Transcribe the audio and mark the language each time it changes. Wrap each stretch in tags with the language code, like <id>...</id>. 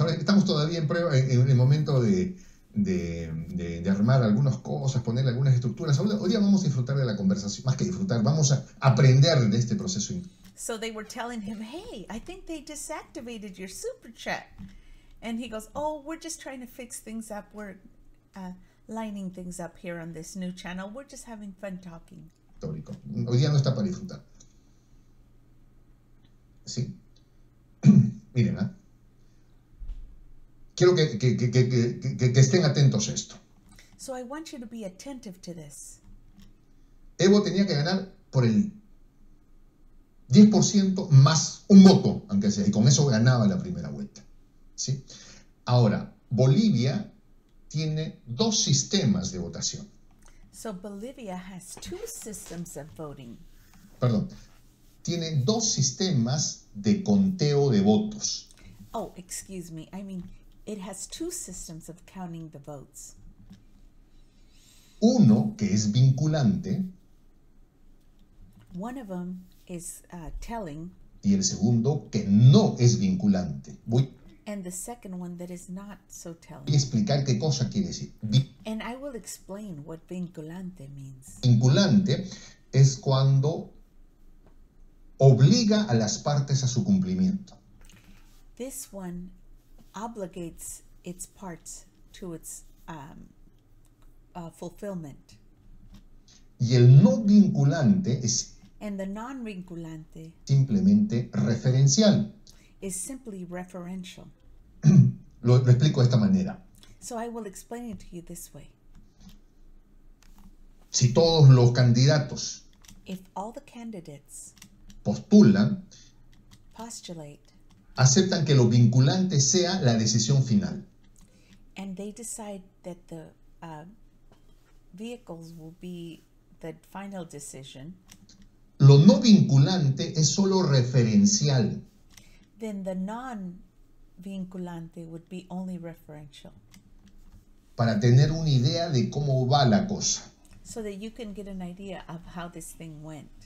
<es>Ahora estamos todavía en prueba, en el momento de armar algunas cosas, poner algunas estructuras. Hoy día vamos a disfrutar de la conversación. Más que disfrutar, vamos a aprender de este proceso.</es> <en>So they were telling him, hey, I think they desactivated your super chat. And he goes, oh, we're just trying to fix things up. We're lining things up here on this new channel. We're just having fun talking.</en> <es>Histórico. Hoy día no está para disfrutar. Sí. Miren, ¿eh? Quiero que estén atentos a esto.</es> <en>So I want you to be attentive to this.</en> <es>Evo tenía que ganar por el 10% más un voto, aunque sea, y con eso ganaba la primera vuelta. ¿Sí? Ahora, Bolivia tiene dos sistemas de votación.</es> <en>So Bolivia has two systems of voting.</en> <es>Perdón. Tiene dos sistemas de conteo de votos.</es> <en>Oh, excuse me. I mean, it has two systems of counting the votes.</en> <es>Uno que es vinculante.</es> <en>One of them is telling.</en> <es>Y el segundo que no es vinculante.</es> <en>And the second one that is not so telling.</en> <es>Y explicar qué cosa quiere decir.</es> <en>And I will explain what vinculante means.</en> <es>Vinculante es cuando obliga a las partes a su cumplimiento.</es> <en>This one obligates its parts to its fulfillment.</en> <es>Y el no vinculante es</es> <en>and the non-vinculante</en> <es>simplemente referencial.</es> <en>Is simply referential.</en> <es>Lo explico de esta manera.</es> <en>So I will explain it to you this way.</en> <es>Si todos los candidatos</es> <en>if all the candidates</en> <es>postulan</es> <en>postulate</en> <es>Aceptan que lo vinculante sea la decisión final.</es> <en>And they decide that the vehicles will be the final decision.</en> <es>Lo no vinculante es solo referencial.</es> <en>Then the non-vinculante would be only referential.</en> <es>Para tener una idea de cómo va la cosa.</es> <en>So that you can get an idea of how this thing went.</en>